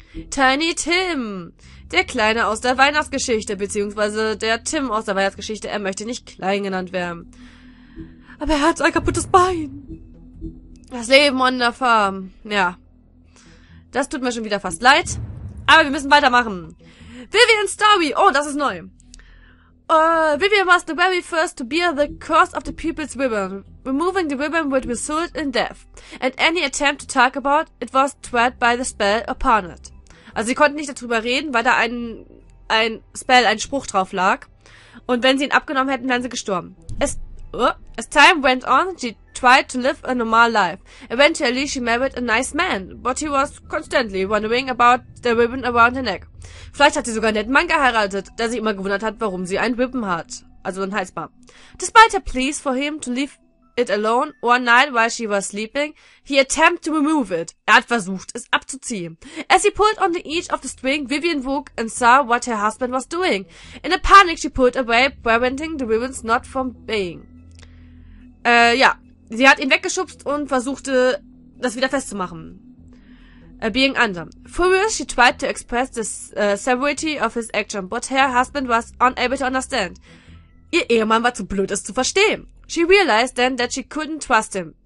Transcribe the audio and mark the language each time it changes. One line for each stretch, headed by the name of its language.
German: Tiny Tim, der Kleine aus der Weihnachtsgeschichte, beziehungsweise der Tim aus der Weihnachtsgeschichte, er möchte nicht klein genannt werden. Aber er hat ein kaputtes Bein. Das Leben on der Farm, ja. Das tut mir schon wieder fast leid, aber wir müssen weitermachen. Vivian Story, oh, das ist neu.
English: Vivian was the very first to bear the curse of the people's ribbon. Removing the ribbon would result in death. And any attempt to talk about it was tried by the spell upon it.
German: Also sie konnten nicht darüber reden, weil da ein Spell, ein Spruch drauf lag. Und wenn sie ihn abgenommen hätten, wären sie gestorben.
English: As time went on, she tried to live a normal life. Eventually she married a nice man, but he was constantly wondering about the ribbon around her neck.
German: Vielleicht hat sie sogar einen netten Mann geheiratet, der sich immer gewundert hat, warum sie ein Ribbon hat. Also ein Halsband.
English: Despite her pleas for him to leave it alone, one night while she was sleeping, he attempted to remove it.
German: Er hat versucht, es abzuziehen.
English: As he pulled on the edge of the string, Vivian woke and saw what her husband was doing. In a panic, she pulled away, preventing the ribbon's knot from being. Ja.
German: Sie hat ihn weggeschubst und versuchte, das wieder festzumachen.
English: Being under. Furious, she tried to express the severity of his action, but her husband was unable to understand.
German: Ihr Ehemann war zu blöd, es zu verstehen.
English: She realized then that she couldn't trust him.